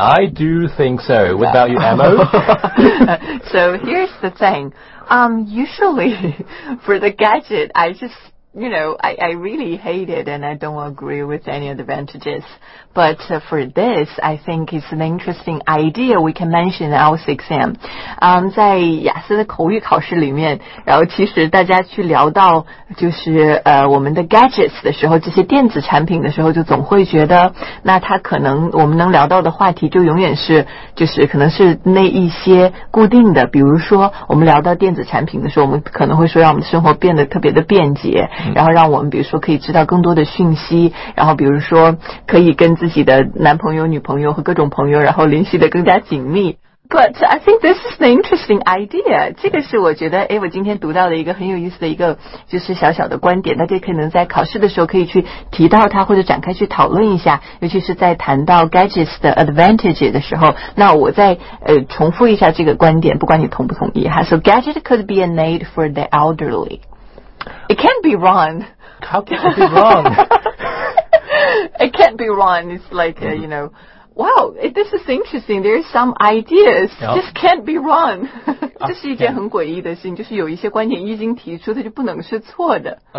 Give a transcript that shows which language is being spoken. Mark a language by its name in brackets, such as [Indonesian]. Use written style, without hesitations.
[English] I do think so. What about you, Emma? So here's the thing. Usually, for the gadget, I just, you know, I really hate it, and I don't agree with any advantages. But for this, I think it's an interesting idea we can mention in our exam. [Chinese] 在雅思的口语考试里面，然后其实大家去聊到就是我们的 gadgets 的时候，这些电子产品的时候，就总会觉得那它可能我们能聊到的话题就永远是就是可能是那一些固定的，比如说我们聊到电子产品的时候，我们可能会说让我们的生活变得特别的便捷，然后让我们比如说可以知道更多的讯息，然后比如说可以跟自己的男朋友女朋友和各种朋友然后联系得更加紧密。 [English] But I think this is an interesting idea. [Chinese] 这个是我觉得我今天读到的一个很有意思的一个就是小小的观点，大家可能在考试的时候可以去提到它或者展开去讨论一下，尤其是在谈到 gadgets 的 advantage 的时候。那我再重复一下这个观点，不管你同不同意哈。 [English] So gadget could be an aid for the elderly. It can't be wrong. How can it be wrong? It can't be wrong. It's like, you know, wow, this is interesting. There are some ideas. Yep. Just can't be wrong. [Chinese] 这是一件很诡异的事情，就是有一些观点一经提出它就不能是错的。